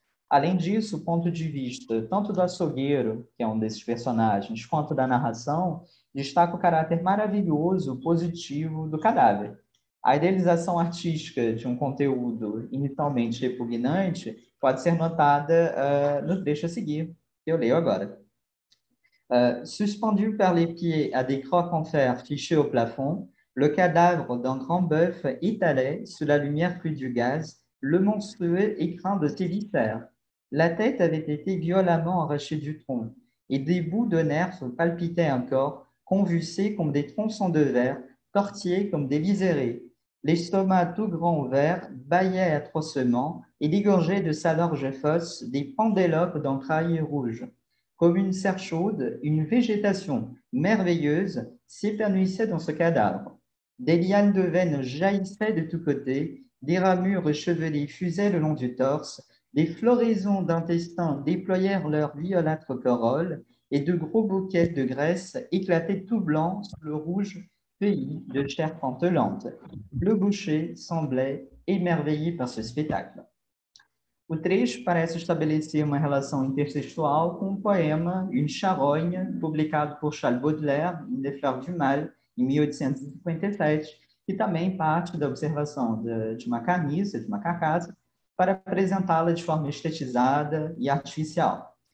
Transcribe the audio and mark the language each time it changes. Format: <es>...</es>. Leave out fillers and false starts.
<pt>Além disso, o ponto de vista tanto do açougueiro, que é um desses personagens, quanto da narração, destaca o caráter maravilhoso, positivo do cadáver. A idealização artística de um conteúdo inicialmente repugnante pode ser notada no trecho a seguir, que eu leio agora.</pt> <fr>Suspendu par les pieds à des crocs en fer fichés au plafond, le cadavre d'un grand bœuf étalait sous la lumière crue du gaz le monstrueux écrin de ses viscères. La tête avait été violemment arrachée du tronc, et des bouts de nerfs palpitaient encore, convulsés comme des tronçons de verre, tortillés comme des liserés. L'estomac tout grand ouvert bâillait atrocement et dégorgeait de sa large fosse des pendélopes d'entrailles rouges. Comme une serre chaude, une végétation merveilleuse s'épanouissait dans ce cadavre. Des lianes de veines jaillissaient de tous côtés, des ramures chevelées fusaient le long du torse, des floraisons d'intestins déployèrent leurs violâtres corolles et de gros bouquets de graisse éclataient tout blanc sur le rouge pays de chair pantelante. Le boucher semblait émerveillé par ce spectacle.</fr> <pt>O trecho parece estabelecer uma relação intertextual com o poema Une charogne, publicado por Charles Baudelaire, em Les Fleurs du Mal, em 1857, que também parte da observação de uma carniça, de uma carcaça, para apresentá-la de forma estetizada e artificial.</pt>